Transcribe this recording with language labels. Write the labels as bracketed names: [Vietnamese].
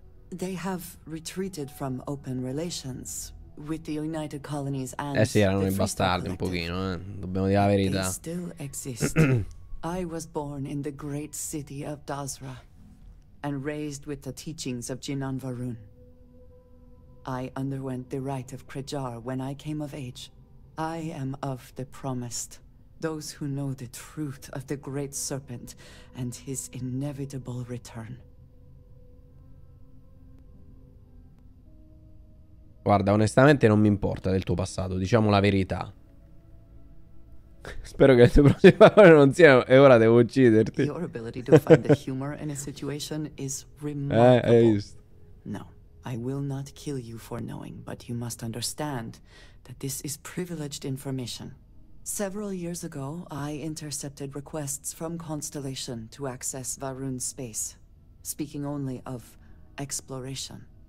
[English] They have retreated from open relations with the United Colonies and [Italian] sì, erano i bastardi un pochino, dobbiamo dire la verità. [English] They still exist. I was born in the great city of Dazra and raised with the teachings of Jinan Varun. I underwent the rite of Krijar when I came of age. I am of the promised, those who know the truth of the great serpent and his inevitable return. [Italian] Guarda, onestamente non mi importa del tuo passato, diciamo la verità. Spero che le tue prossime parole non siano... E ora devo ucciderti. [English] Your ability to find the humor in a situation is remarkable. [Italian] Hai visto. [English] No, I will not kill you for knowing, but you must understand that this is privileged information. Several years ago, I intercepted requests from Constellation to access Varun's space, speaking only of exploration.